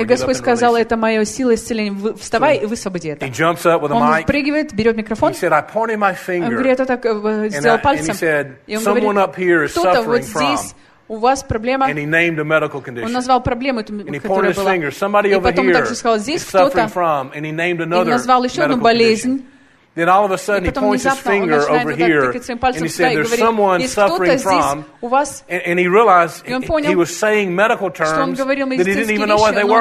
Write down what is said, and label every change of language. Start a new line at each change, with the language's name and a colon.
Russian: И Господь сказал, это моя сила исцеления. Вставай и высвободи это.
English: He jumps up with a mic.
Russian: Он прыгивает, берет микрофон.
English: He said, I pointed my finger.
Russian: Он говорит, я так сделал пальцем.
English: And he said, someone up here is suffering.
Russian: Здесь у вас проблема.
English: And he named a medical condition.
Russian: Он назвал проблему, которая была.
English: And he pointed his finger. Somebody
Russian: и
English: over here
Russian: также сказал, здесь
English: is suffering from. And he named another
Russian: и назвал еще одну болезнь.
English: Then all of a sudden he points his finger over here and he said, there's someone suffering from. And he realized he was saying medical terms that he didn't even know what they were.